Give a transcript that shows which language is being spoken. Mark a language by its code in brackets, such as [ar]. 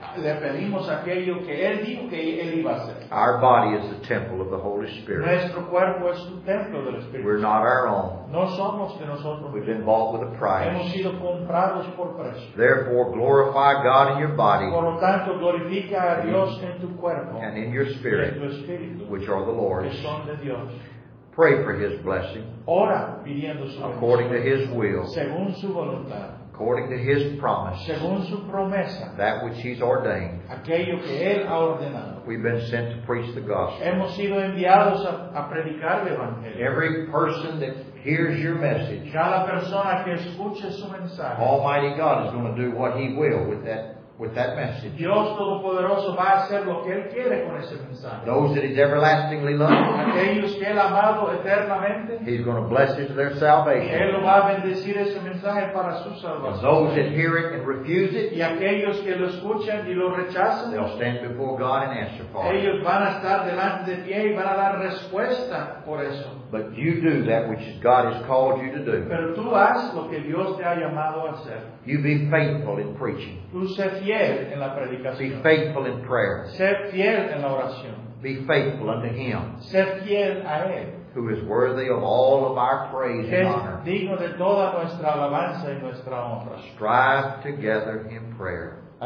[es] Le pedimos aquello que él dijo que él iba a hacer. [en] Our body is the temple of the Holy Spirit. [es] Nuestro cuerpo es un templo del Espíritu. [en] We're not our own. [es] No somos de nosotros. [en] We've been bought with a price. [es] Hemos sido comprados por precio. [en] Therefore, glorify God in your body. [es] Por lo tanto, glorifica a Dios en tu cuerpo. [en] And in your spirit, [es] en tu espíritu, [en] which are the Lord's. [es] Que son de Dios. [en] Pray for His blessing. [es] Ora pidiendo su [en] according to His will. [es] Según su voluntad. [en] According to His promise. [es] Según su promesa. [en] That which He's ordained. [es] Aquello que Él ha ordenado. [en] We've been sent to preach the gospel. [es] Hemos sido enviados a predicar el evangelio. [en] Every person that hears your message. [es] Cada persona que escuche su mensaje. [en] Almighty God is going to do what He will with that. With that message. [es] Dios Todopoderoso va a hacer lo que Él quiere con ese mensaje. [en] Those that He's everlastingly loved. [es] Aquellos que Él ha amado eternamente. [en] He's going to bless it to their salvation. [es] Él va a bendecir ese mensaje para su salvación. [en] And those that hear it and refuse it. [es] Y aquellos que lo escuchan y lo rechazan. [en] They'll stand before God and answer for it. [es] Ellos van a estar delante de pie y van a dar respuesta por eso. [en] But you do that which God has called you to do. [es] Pero tú haz lo que Dios te ha llamado a hacer. [en] You be faithful in preaching. [es] Tú sé fiel en la predicación. [en] Be faithful in prayer. [es] Sé fiel en la oración. [en] Be faithful unto Him. [es] Sé fiel a Él. [en] Who is worthy of all of our praise [es] es [en] and honor. [es] Digno de toda nuestra alabanza y nuestra honra. [en] Strive together in prayer.